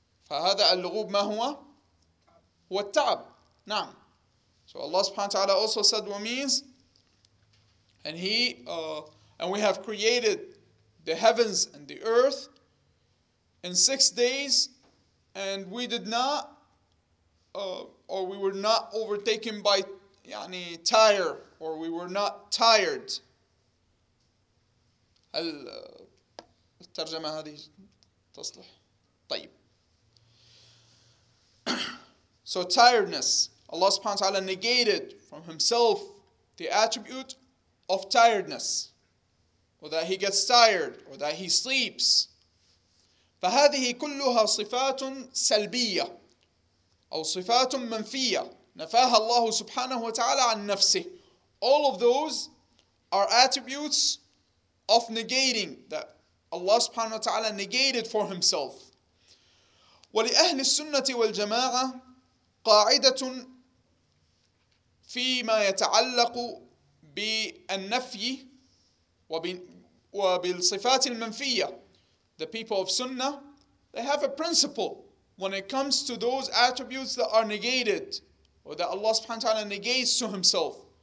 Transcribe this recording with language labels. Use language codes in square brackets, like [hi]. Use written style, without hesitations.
[ar] فهذا اللغوب ما هو؟ هو التعب. نعم. [en] So Allah subhanahu wa ta'ala also said what means, and we have created the heavens and the earth in 6 days, and we did not, or we were not overtaken by tire, or we were not tired. [ar] الترجمة هذه تصلح. طيب. [en] So tiredness. Allah subhanahu wa ta'ala negated from himself the attribute of tiredness, or that he gets tired, or that he sleeps. [ar] فهذه كلها صفات سلبية أو صفات منفية نفاها الله سبحانه وتعالى عن نفسه. [en] All of those are attributes of negating that Allah subhanahu wa ta'ala negated for himself. [ar] ولأهل السنة والجماعة قاعدة فيما يتعلق بالنفي وبالصفات المنفية. [en] The people of Sunnah, they have a principle when it comes to those attributes that are negated, or that Allah subhanahu wa ta'ala negates to himself.